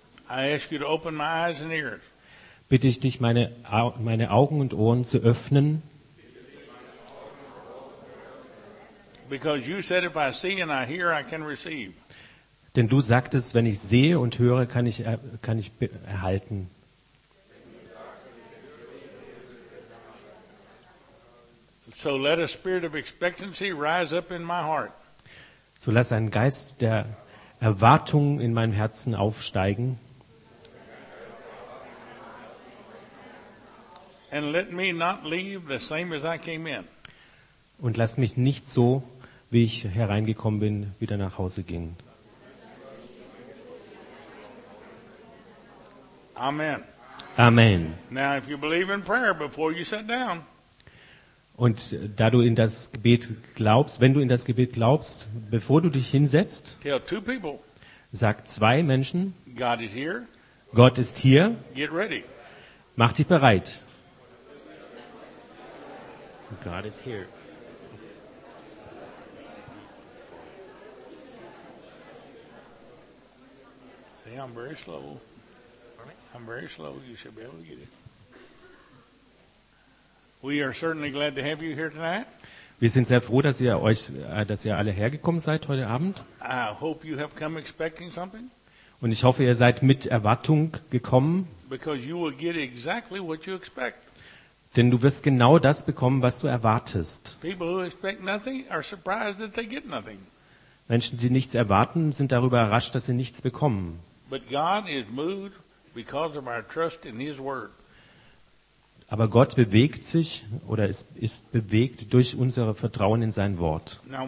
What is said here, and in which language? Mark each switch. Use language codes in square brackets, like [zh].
[en] I ask you to open my eyes and ears. [de] Bitte ich dich, meine Augen und Ohren zu öffnen. [en] Because you said if I see and I hear, I can receive. [de] Denn du sagtest, wenn ich sehe und höre, kann ich erhalten. [en] So let a spirit of expectancy rise up in my heart. [de] So lass einen Geist der Erwartung in meinem Herzen aufsteigen. [en] And let me not leave the same as I came in. [de] Und lass mich nicht so, wie ich hereingekommen bin, wieder nach Hause gehen. [en] Amen. [de] Amen. [en] Now if you believe in prayer before you sit down. [de] Und da du in das Gebet glaubst, wenn du in das Gebet glaubst, bevor du dich hinsetzt, [en] tell two people, [de] sag zwei Menschen, [en] God is here, [de] Gott ist hier, [en] get ready. [de] Mach dich bereit. [en] God is here. See, I'm very slow. I'm very slow. You should be able to get it. We are certainly glad to have you here tonight. [de] Wir sind sehr froh, dass ihr alle hergekommen seid heute Abend. [en] I hope you have come expecting something. [de] Und ich hoffe, ihr seid mit Erwartung gekommen. [en] Because you will get exactly what you expect. [de] Denn du wirst genau das bekommen, was du erwartest. [en] People who expect nothing are surprised that they get nothing. [de] Menschen, die nichts erwarten, sind darüber überrascht, dass sie nichts bekommen. [en] But God is moved because of our trust in His Word. [de] Aber Gott bewegt sich oder ist bewegt durch unser Vertrauen in sein Wort.